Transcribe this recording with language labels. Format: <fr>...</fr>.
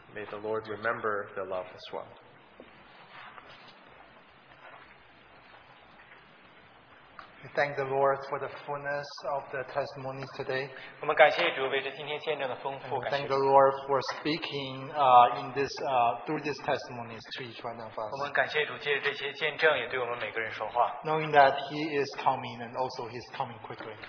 <en>May the Lord remember their love as well.</en> <zh>我们</zh> <en>thank the Lord for the fullness of the testimonies today.</en> <zh>我们感谢主为这今天见证的丰富。</zh> <en>Thank the Lord for speaking through these testimonies to each one of us.</en> <zh>我们感谢主借着这些见证也对我们每个人说话。</zh> <en>Knowing that He is coming and also He's coming quickly.</en>